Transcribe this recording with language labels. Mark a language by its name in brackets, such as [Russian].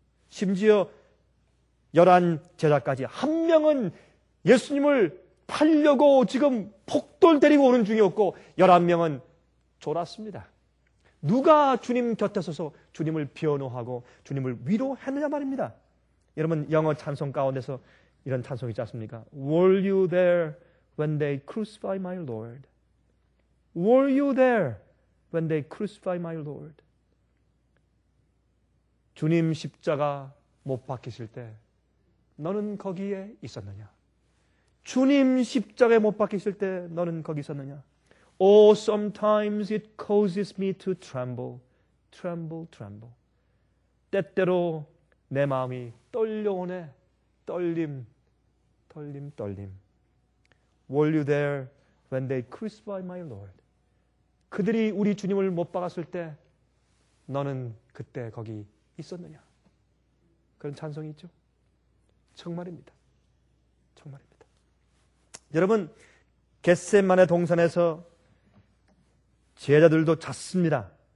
[Korean] 심지어 열한 제자까지 한 명은 예수님을 팔려고 지금 폭도를 데리고 오는 중이었고 11명은 졸았습니다. 누가 주님 곁에 서서 주님을 변호하고 주님을 위로했느냐 말입니다. 여러분, 영어 찬송 가운데서 이런 찬송 있지 않습니까? [English] Were you there when they crucified my Lord? Were you there when they crucified my Lord? [Korean] 주님 십자가 못 박히실 때 너는 거기에 있었느냐? 주님 십자가에 못 박히실 때 너는 거기 있었느냐? [English] Oh, sometimes it causes me to tremble, tremble, tremble. [Korean] 때때로 내 마음이 떨려오네, 떨림, 떨림, 떨림. [English] Were you there when they crucified my Lord? [Korean] 그들이 우리 주님을 못 박았을 때 너는 그때 거기 있었느냐? 그런 찬송이 있죠? 정말입니다. 정말입니다. 여러분, 겟세마네 동산에서 제자들도 잤습니다.